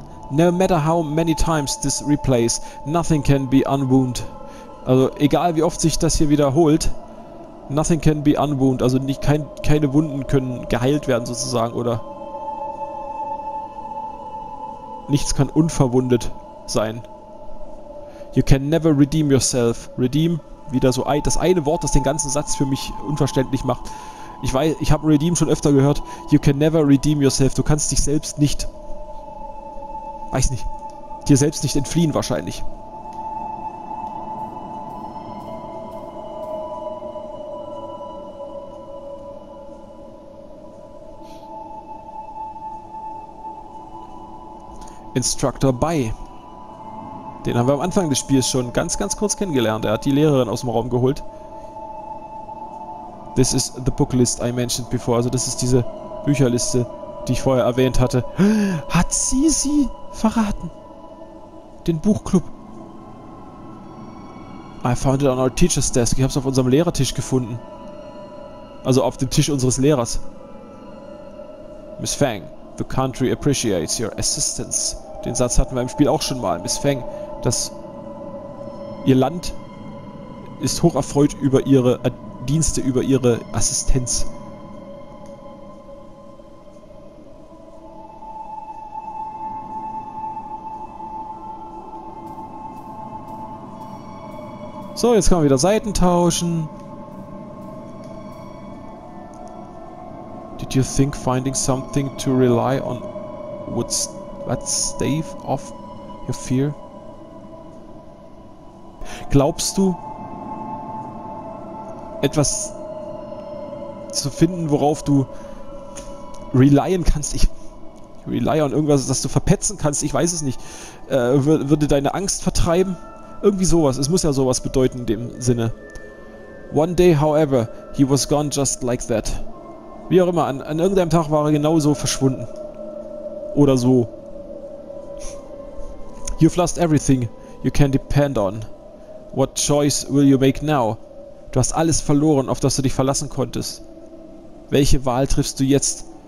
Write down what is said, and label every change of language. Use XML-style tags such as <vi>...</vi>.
<en>No matter how many times this replays, nothing can be unwound.</en> <de>Also egal wie oft sich das hier wiederholt,</de> <en>nothing can be unwound.</en> <de>Also nicht keine Wunden können geheilt werden sozusagen, oder nichts kann unverwundet sein.</de> <en>You can never redeem yourself.</en> <de>Redeem, wieder so das eine Wort, das den ganzen Satz für mich unverständlich macht. Ich weiß, ich habe redeem schon öfter gehört.</de> <en>You can never redeem yourself.</en> <de>Du kannst dich selbst nicht, weiß nicht, dir selbst nicht entfliehen wahrscheinlich. Instructor Bai. Den haben wir am Anfang des Spiels schon ganz, ganz kurz kennengelernt. Er hat die Lehrerin aus dem Raum geholt.</de> <en>This is the book list I mentioned before.</en> <de>Also das ist diese Bücherliste, die ich vorher erwähnt hatte. Hat sie sie verraten? Den Buchclub.</de> <en>I found it on our teacher's desk.</en> <de>Ich habe es auf unserem Lehrertisch gefunden. Also auf dem Tisch unseres Lehrers.</de> <en>Miss Fang, the country appreciates your assistance.</en> <de>Den Satz hatten wir im Spiel auch schon mal. Miss Fang, das... Ihr Land ist hocherfreut über ihre Dienste, über ihre Assistenz. So, jetzt kann man wieder Seiten tauschen.</de> <en>Did you think finding something to rely on would stave off your fear?</en> <de>Glaubst du, etwas zu finden, worauf du relyen kannst? Ich rely on irgendwas, das du verpetzen kannst, ich weiß es nicht. Würde deine Angst vertreiben? Irgendwie sowas. Es muss ja sowas bedeuten in dem Sinne.</de> <en>One day, however, he was gone just like that.</en> <de>Wie auch immer, an irgendeinem Tag war er genauso verschwunden. Oder so.</de> <en>You've lost everything you can depend on. What choice will you make now?</en> <de>Du hast alles verloren, auf das du dich verlassen konntest. Welche Wahl triffst du jetzt?</de>